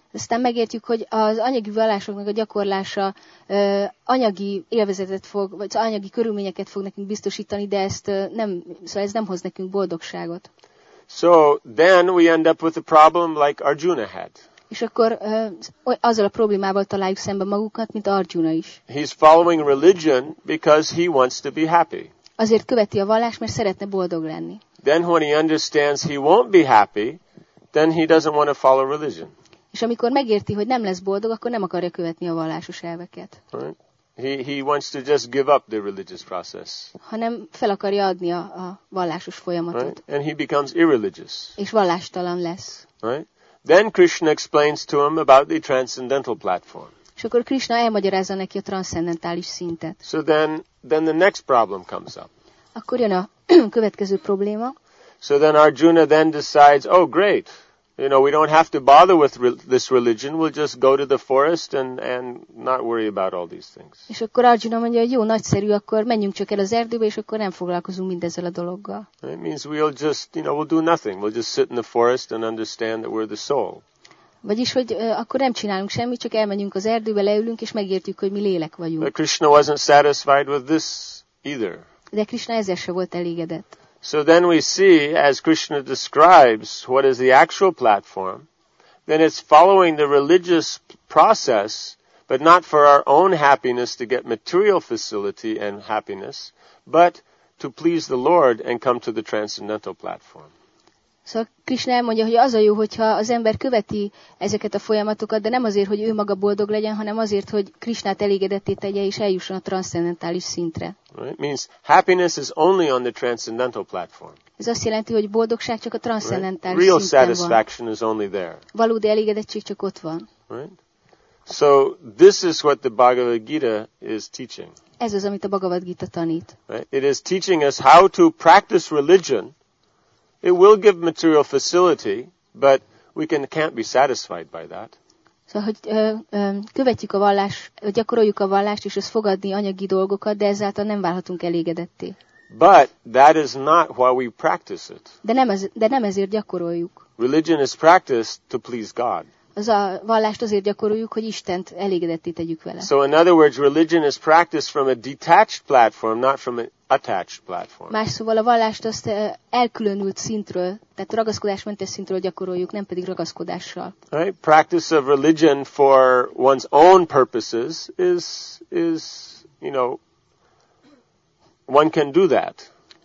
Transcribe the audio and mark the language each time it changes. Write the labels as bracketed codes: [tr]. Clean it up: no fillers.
[hu] Aztán megértjük, hogy az anyagi vallásoknak a gyakorlása anyagi élvezetet fog, vagy anyagi körülményeket fog nekünk biztosítani, de ezt nem, szóval ez nem hoz nekünk boldogságot. [en] So then we end up with a problem like Arjuna had. [hu] És akkor azzal a problémával találjuk szembe magukat, mint Arjuna is. [en] He's following religion because he wants to be happy. [hu] Azért követi a vallást, mert szeretne boldog lenni. [en] Then when he understands he won't be happy, then he doesn't want to follow religion. [hu] És amikor megérti, hogy nem lesz boldog, akkor nem akarja követni a vallásos elveket. [en] Right. He wants to just give up the religious process. [hu] Hanem fel akarja adni a vallásos folyamatot. [en] Right. And he becomes irreligious. [hu] És vallástalan lesz. [en] Right. Then Krishna explains to him about the transcendental platform. [hu] És akkor Krishna elmagyarázza neki a transzcendentális szintet. [en] So then the next problem comes up. [hu] Akkor jön a következő probléma. [en] So then Arjuna then decides, oh great, you know, we don't have to bother with this religion. We'll just go to the forest and not worry about all these things. [hu] És akkor Arjuna mondja, jó, nagyszerű, akkor menjünk csak el az erdőbe, és akkor nem foglalkozunk mindezzel a dologgal. [en] It means we'll just, you know, we'll do nothing. We'll just sit in the forest and understand that we're the soul. [hu] Vagyis, hogy akkor nem csinálunk semmit, csak elmenjünk az erdőbe, leülünk, és megértjük, hogy mi lélek vagyunk. [en] But Krishna wasn't satisfied with this either. [hu] De Krishna ezzel se volt elégedett. [en] So then we see, as Krishna describes what is the actual platform, then it's following the religious process, but not for our own happiness to get material facility and happiness, but to please the Lord and come to the transcendental platform. [hu] Szóval Krishna elmondja, hogy az a jó, hogyha az ember követi ezeket a folyamatokat, de nem azért, hogy ő maga boldog legyen, hanem azért, hogy Krishnát elégedetté tegye és eljusson a transzcendentális szintre. [en] Right? Means happiness is only on the transcendental platform. [hu] Ez azt jelenti, hogy boldogság csak a transzcendentális [en] right? Real satisfaction is only there. [hu] Valódi elégedettség csak ott van. [en] Right? So this is what the Bhagavad Gita is teaching. [hu] Ez az, amit a Bhagavad Gita tanít. [en] Right? It is teaching us how to practice religion. It will give material facility, but we can't be satisfied by that. [hu] Szóval, hogy követjük a vallást, gyakoroljuk a vallást, és ezt fogadni anyagi dolgokat, de ezáltal nem válhatunk elégedetté. [en] But that is not why we practice it. [hu] De nem ezért gyakoroljuk. [en] Religion is practiced to please God. [hu] Az a vallást azért gyakoroljuk, hogy Istent elégedetté tegyük vele. [en] So in other words, religion is practiced from a detached platform, not from an attached platform. [hu] Más szóval a vallást azt elkülönült szintről, tehát ragaszkodásmentes szintről gyakoroljuk, nem pedig ragaszkodással. [en] Right? Practice of religion for one's own purposes is, you know, one can do that.